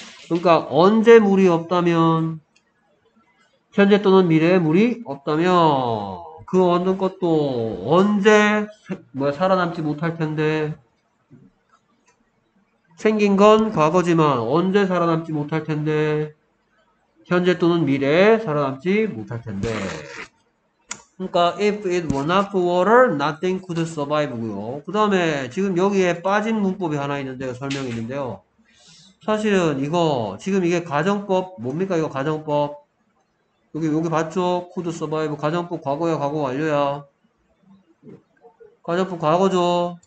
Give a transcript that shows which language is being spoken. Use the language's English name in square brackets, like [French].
[Korean] 그러니까 언제 물이 없다면 현재 또는 미래에 물이 없다면 그 어느 것도 언제 뭐 살아남지 못할 텐데 생긴 건 과거지만 언제 살아남지 못할 텐데 현재 또는 미래에 살아남지 못할 텐데. 그러니까 [English] if it were not for water, nothing could survive고요. [Korean] 그 다음에 지금 여기에 빠진 문법이 하나 있는데요. 설명이 있는데요. 사실은 이거 지금 이게 가정법 뭡니까? 이거 가정법 여기 봤죠? 코드 서바이브 가정법 과거야, 과거 완료야. 가정법 과거죠.